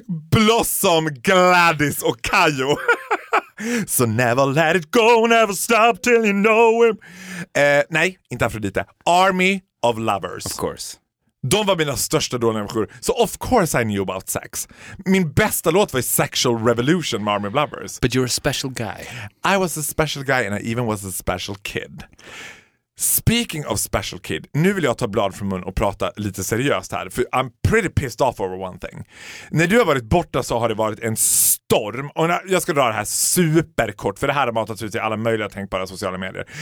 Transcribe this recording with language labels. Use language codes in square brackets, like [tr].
[sv] Blossom, Gladys och Kayo. [en] So never let it go, never stop till you know him. [sv] Nej, inte Afrodite. Army of Lovers. [en] Of course. [sv] De var mina största dåliga människor. [en] So of course I knew about sex. [sv] Min bästa låt var Sexual Revolution med Army of Lovers. [en] But you're a special guy. I was a special guy and I even was a special kid. Speaking of special kid, [sv] nu vill jag ta blad från mun och prata lite seriöst här. [en] För I'm pretty pissed off over one thing. [sv] När du har varit borta så har det varit en storm. Och jag ska dra det här superkort, för det här har matats ut i alla möjliga tänkbara sociala medier.